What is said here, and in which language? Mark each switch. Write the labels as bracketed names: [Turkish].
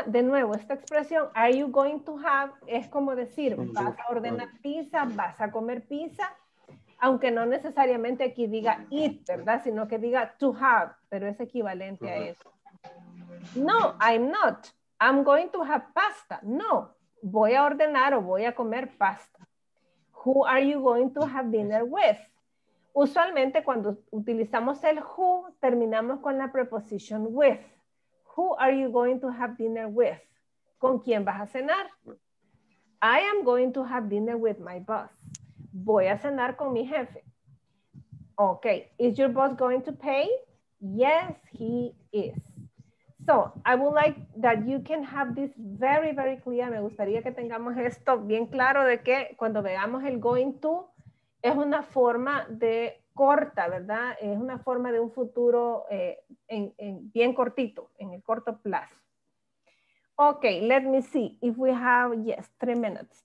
[Spanish] De nuevo, esta expresión, [English] are you going to have, [Spanish] es como decir, vas a ordenar pizza, vas a comer pizza. Aunque no necesariamente aquí diga eat, ¿verdad? Sino que diga to have, pero es equivalente a eso. [English] No, I'm not. I'm going to have pasta. [Spanish] No, voy a ordenar o voy a comer pasta. [English] Who are you going to have dinner with? [Spanish] Usualmente cuando utilizamos el who, terminamos con la preposición with. [English] Who are you going to have dinner with? [Spanish] ¿Con quién vas a cenar? [English] I am going to have dinner with my boss. [Spanish] Voy a cenar con mi jefe. Ok. [English] Is your boss going to pay? Yes, he is. So, I would like that you can have this very, very clear. [Spanish] Me gustaría que tengamos esto bien claro de que cuando veamos el going to, es una forma de corta, ¿verdad? Es una forma de un futuro bien cortito, en el corto plazo. [English] Ok, let me see if we have, yes, 3 minutes.